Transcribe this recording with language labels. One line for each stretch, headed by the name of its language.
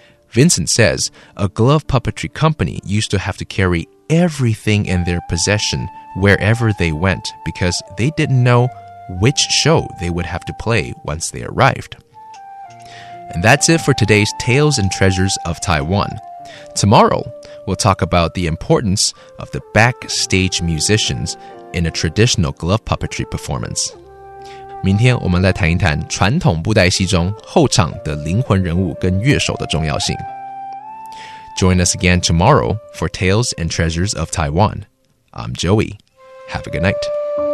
English: Vincent says a glove puppetry company used to have to carry everything in their possession wherever they went because they didn't know which show they would have to play once they arrived. And that's it for today's Tales and Treasures of Taiwan. Tomorrow, we'll talk about the importance of the backstage musicians in a traditional glove puppetry performance.
Chinese: 明天我们来谈一谈传统布袋戏中后场的灵魂人物跟乐手的重要性。
English: Join us again tomorrow for Tales and Treasures of Taiwan. I'm Joey. Have a good night.